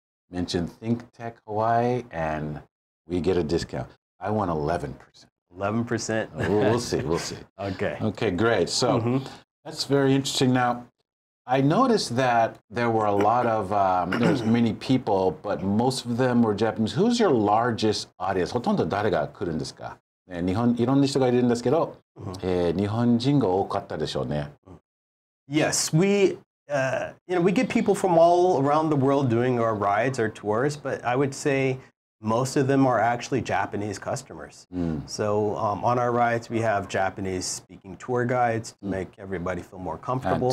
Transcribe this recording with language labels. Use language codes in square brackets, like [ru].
[en] Mention ThinkTech Hawaii and we get a discount. I want 11%. 11%? We'll see. Okay. Okay, great. So that's very interesting. Now, I noticed that there were a lot of, there's many people, but most of them were Japanese. Who's your largest audience? [ja] ほとんど誰が来るんですか?日本、いろんな人がいるんですけど, 日本人が多かったでしょうね。 [en] Yes, we get people from all around the world doing our rides, our tours, but I would say most of them are actually Japanese customers. So on our rides, we have Japanese-speaking tour guides to make everybody feel more comfortable.